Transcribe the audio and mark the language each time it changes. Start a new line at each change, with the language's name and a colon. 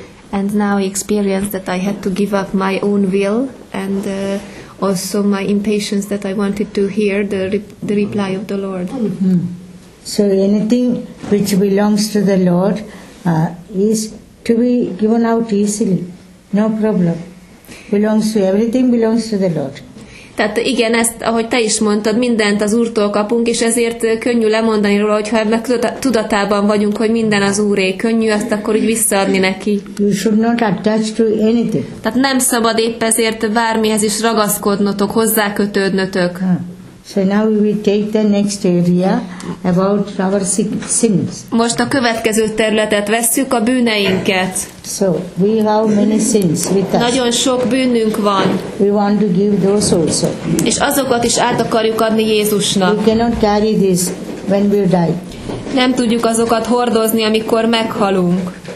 English: And now experienced that I had to give up my own will and also my impatience that I wanted to hear the reply of the Lord. So anything which belongs to the Lord is to be given out easily, no problem. Everything belongs to the Lord.
Hungarian: Tehát igen, ezt, ahogy te is mondtad, mindent az Úrtól kapunk, és ezért könnyű lemondani róla, hogyha ebben tudatában vagyunk, hogy minden az Úré, könnyű ezt akkor úgy visszaadni neki.
English: You should not attach to anything.
Hungarian: Tehát nem szabad épp ezért bármihez is ragaszkodnotok, hozzákötődnötök.
English: So now we will take the next area about our sins.
Hungarian: Most a következő területet vesszük, a bűneinket.
English: So we have many sins with us.
Hungarian: Nagyon sok bűnünk van.
English: We want to give those also.
Hungarian: És azokat is át akarjuk adni Jézusnak.
English: We cannot carry this when we die.
Hungarian: Nem tudjuk azokat hordozni, amikor meghalunk.